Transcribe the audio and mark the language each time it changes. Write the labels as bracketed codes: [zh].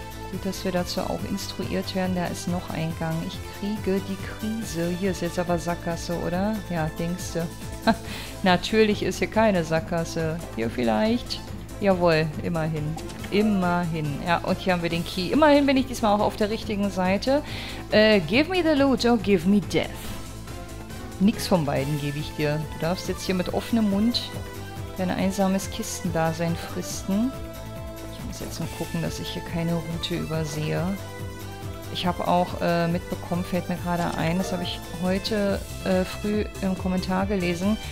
[de] Gut, dass wir dazu auch instruiert werden. Da ist noch ein Gang. Ich kriege die Krise. Hier ist jetzt aber Sackgasse, oder? Ja, denkst du. Natürlich ist hier keine Sackgasse. Hier vielleicht. Jawohl, immerhin. Immerhin. Ja, und hier haben wir den Key. Immerhin bin ich diesmal auch auf der richtigen Seite. [en] Give me the loot or give me death. [de] Nichts von beiden gebe ich dir. Du darfst jetzt hier mit offenem Mund dein einsames Kistendasein fristen. Ich muss jetzt mal gucken, dass ich hier keine Route übersehe. Ich habe auch mitbekommen, fällt mir gerade ein, das habe ich heute früh im Kommentar gelesen.